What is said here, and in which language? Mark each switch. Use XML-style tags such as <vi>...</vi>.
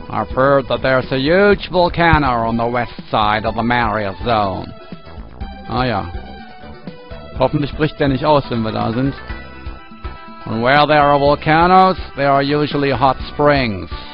<en>I've heard that there's a huge volcano on the west side of the Mario Zone.</en> <de>Ah ja. Hoffentlich bricht der nicht aus, wenn wir da sind.</de> <en>And where there are volcanoes, there are usually hot springs.</en>